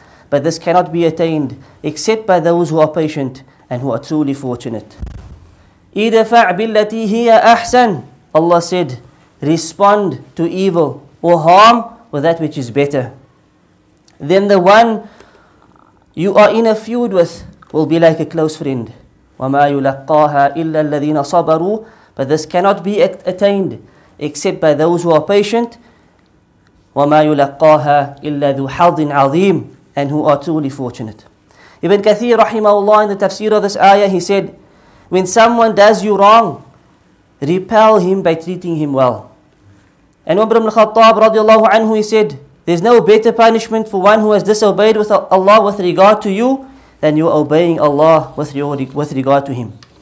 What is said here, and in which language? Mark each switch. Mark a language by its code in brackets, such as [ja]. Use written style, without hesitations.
[en] But this cannot be attained except by those who are patient and who are truly fortunate. [ar] إدفع بالتي هي أحسن. [en] Allah said, respond to evil or harm with that which is better. Then the one you are in a feud with will be like a close friend. [ar] وما يلقاها إلا الذين صبروا. [en] But this cannot be attained except by those who are patient. [ar] وما يلقاها إلا ذو حظ عظيم. [en] And who are truly fortunate. Ibn Kathir رحمه الله, in the tafsir of this ayah, he said, when someone does you wrong, repel him by treating him well. And Umar ibn al-Khattab radiallahu anhu, he said, there's no better punishment for one who has disobeyed with Allah with regard to you than you obeying Allah with regard to him.